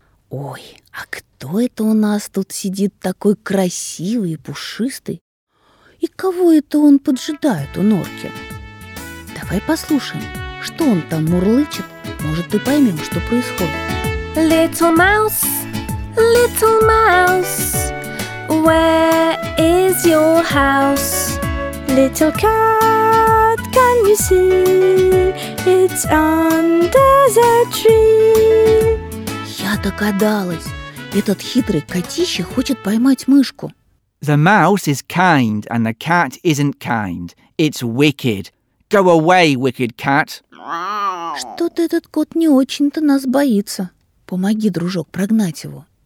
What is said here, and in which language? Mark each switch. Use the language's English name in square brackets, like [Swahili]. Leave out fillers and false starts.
[Russian] Ой, а кто это у нас тут сидит такой красивый и пушистый? И кого это он поджидает у норки? Давай послушаем, что он там мурлычет, может, и поймем, что происходит. [English] Little mouse, little mouse, where is your house? Little cat, can you see? It's under the tree. [Russian] Я догадалась. Этот хитрый котище хочет поймать мышку. [English] The mouse is kind and the cat isn't kind. It's wicked. Go away, wicked cat. [Russian] Что-то этот кот не очень-то нас боится. Помоги, дружок, прогнать его.